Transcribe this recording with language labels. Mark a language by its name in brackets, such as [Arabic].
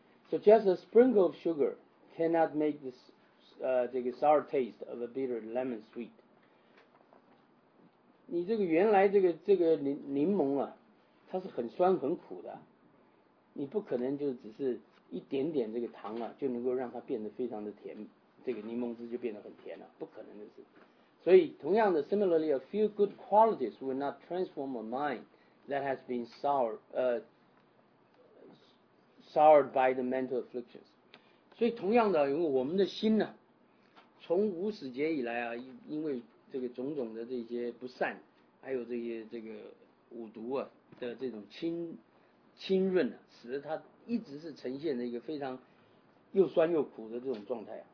[English] So just a sprinkle of sugar cannot make this, 这个 sour taste of a bitter lemon sweet. [Chinese] 你这个原来这个柠檬啊，它是很酸很苦的，你不可能就只是一点点这个糖啊，就能够让它变得非常的甜，这个柠檬汁就变得很甜了，不可能的事。所以同样的 [English] ，similarly, a few good qualities will not transform a mind that has been soured by the mental afflictions. [Chinese] 所以同样的，因为我们的心呢，从无始劫以来啊，因为这个种种的这些不善，还有这些这个五毒啊的这种侵润啊，使得它一直是呈现了一个非常又酸又苦的这种状态啊。